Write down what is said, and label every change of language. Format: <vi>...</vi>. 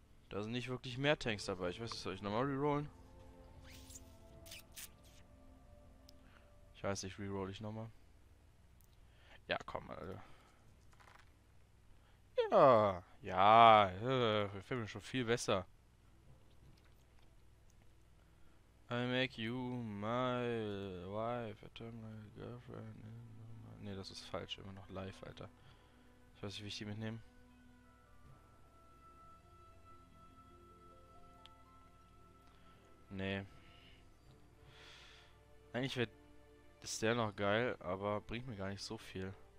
<de>Da sind nicht wirklich mehr Tanks dabei. Ich weiß nicht, soll ich nochmal rerollen? Ich weiß nicht, reroll ich nochmal. Ja, komm, Alter. Ja, wir finden schon viel besser.</de> <en>I make you my wife, I turn my girlfriend into my...</en> <de>Ne, das ist falsch, immer noch live, Alter. Ich weiß nicht, wie ich die mitnehme. Nee. Eigentlich wäre das der noch geil, aber bringt mir gar nicht so viel.</de>